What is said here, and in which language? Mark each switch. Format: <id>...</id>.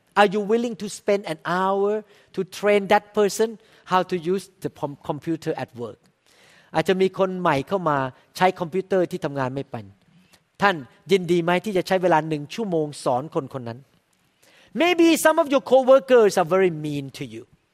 <en>Are you willing to spend an hour to train that person how to use the computer at work?</en> <th>อาจจะมีคนใหม่เข้ามาใช้คอมพิวเตอร์ที่ทำงานไม่เป็นท่านยินดีไหมที่จะใช้เวลา1ชั่วโมงสอนคนคนนั้น</th> <en>Maybe some of your co-workers are very mean to you.</en>